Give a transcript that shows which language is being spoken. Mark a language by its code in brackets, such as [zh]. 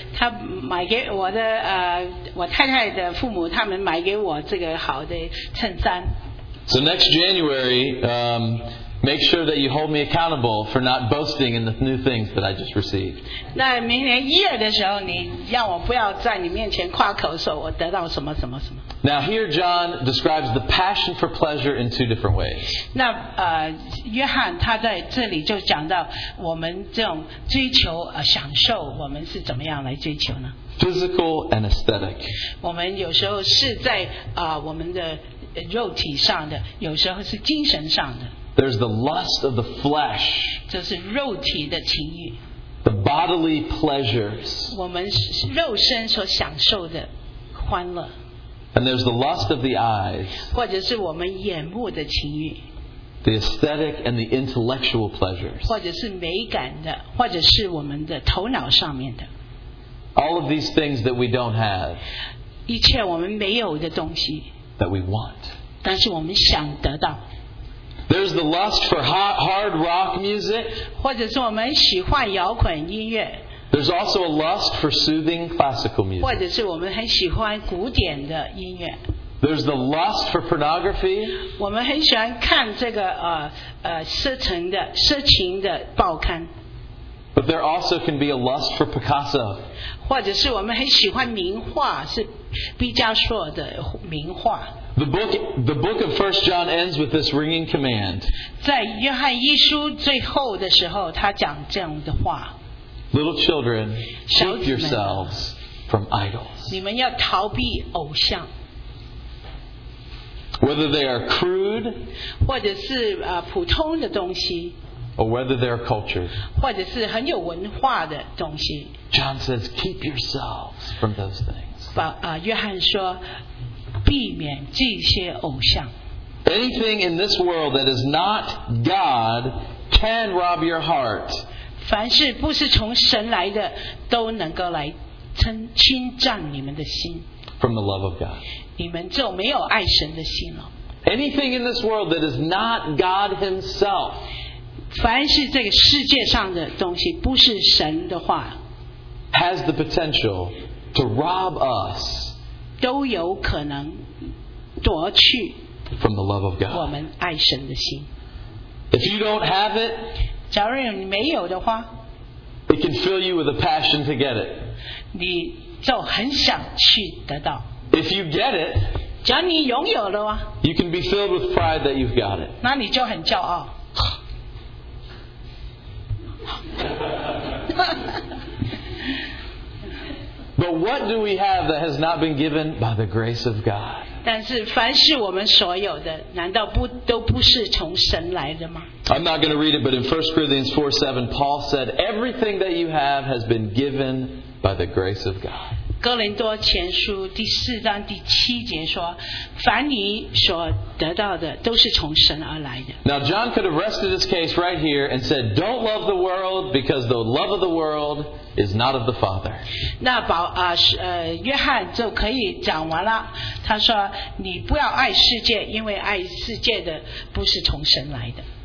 [zh] 他买给我的我太太的父母，他们买给我这个好的衬衫。 [en] So next January, make sure that you hold me accountable for not boasting in the new things that I just received. [zh] 那明年一月的时候，你让我不要在你面前夸口说我得到什么什么什么。 [en] Now here, John describes the passion for pleasure in two different ways. [zh] 那约翰他在这里就讲到我们这种追求享受，我们是怎么样来追求呢 [en] ？Physical and aesthetic. [zh] 我们有时候是在我们的肉体上的，有时候是精神上的。 [en] There's the lust of the flesh. [zh] 这是肉体的情欲。 [en] The bodily pleasures. [zh] 我们肉身所享受的欢乐。 [en] And there's the lust of the eyes. [zh] 或者是我们眼目的情欲。 [en] The aesthetic and the intellectual pleasures. [zh] 或者是美感的，或者是我们的头脑上面的。 [en] All of these things that we don't have. [zh] 一切我们没有的东西。 [en] That we want. [zh] 但是我们想得到。 [en] There's the lust for hard rock music. [zh] 或者是我们喜欢摇滚音乐。 [en] There's also a lust for soothing classical music. [zh] 或者是我们很喜欢古典的音乐。 [en] There's the lust for pornography. [zh] 我们很喜欢看这个色情的报刊。 [en] But there also can be a lust for Picasso. [zh] 或者是我们很喜欢名画，是毕加索的名画。 [en] The book of 1 John ends with this ringing command. [zh] 在约翰一书最后的时候，他讲这样的话。 [en] Little children, keep yourselves from idols. [zh] 你们要逃避偶像。 [en] Whether they are crude, [zh] 或者是普通的东西。 [en] Or whether they are cultured. [zh] 或者是很有文化的东西。 [en] John says, keep yourselves from those things. [zh] 约翰说，避免这些偶像。 [en] Anything in this world that is not God can rob your heart. [zh] 凡是不是从神来的，都能够来侵占你们的心。 [en] From the love of God. [zh] 你们就没有爱神的心了。 [en] Anything in this world that is not God Himself. [zh] 凡是这个世界上的东西不是神的话， [en] has the potential to rob us. [zh] 都有可能夺去 [en] from the love of God. [zh] 我们爱神的心。 [en] If you don't have it. [zh] 假如你没有的话， [en] it can fill you with a passion to get it. [zh] 你就很想去得到。 [en] If you get it, [zh] 假如你拥有的话， [en] you can be filled with pride that you've got it. [zh] 那你就很骄傲。 [en] But what do we have that has not been given by the grace of God? [zh] 但是凡是我们所有的，难道不都不是从神来的吗？ [en] I'm not going to read it, but in 1 Corinthians 4:7, Paul said, "Everything that you have has been given by the grace of God." [zh] 哥林多前书第四章第七节说，凡你所得到的都是从神而来的。 [en] Now John could have rested his case right here and said, "Don't love the world because the love of the world." Is not of the Father. [zh] 那保约翰就可以讲完了。他说：“你不要爱世界，因为爱世界的不是从神来的。”